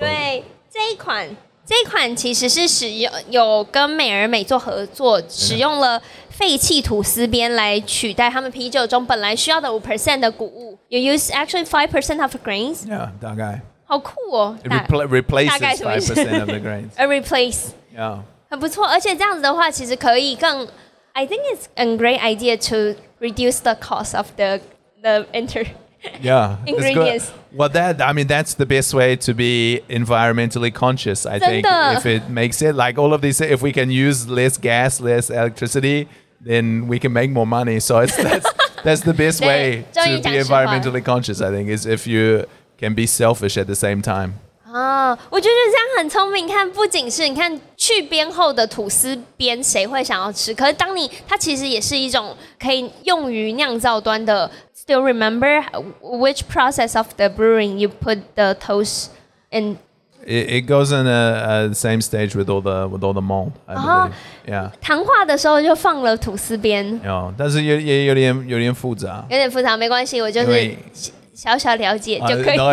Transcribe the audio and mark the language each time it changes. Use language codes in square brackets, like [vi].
[zh] 对,这一款, 这款其实是使用有跟美而美做合作，使用了废弃吐司边来取代他们啤酒中本来需要的 5%的谷物. [en] You use actually 5% of grains? Yeah, [zh] 大概. 好酷哦！ [en] Replaces 5% of the grains. A replace. Yeah. [zh] 很不错，而且这样子的话，其实可以更. [en] I think it's a great idea to reduce the cost of the inter. Yeah, ingredients. Well, that's the best way to be environmentally conscious, I think. If it makes it, like all of these, if we can use less gas, less electricity, then we can make more money. So that's the best way to be environmentally conscious, I think, is if you can be selfish at the same time. [zh] 我觉得这样很聪明，看不仅是你看去边后的吐司边谁会想要吃，可是当你它其实也是一种可以用于酿造端的。 [en] Still remember which process of the brewing you put the toast in? It goes in a same stage with all the malt. Yeah. [zh] 糖化的时候就放了吐司边. 但是也有点复杂。有点复杂，没关系，我就是小小了解就可以。 [en] No,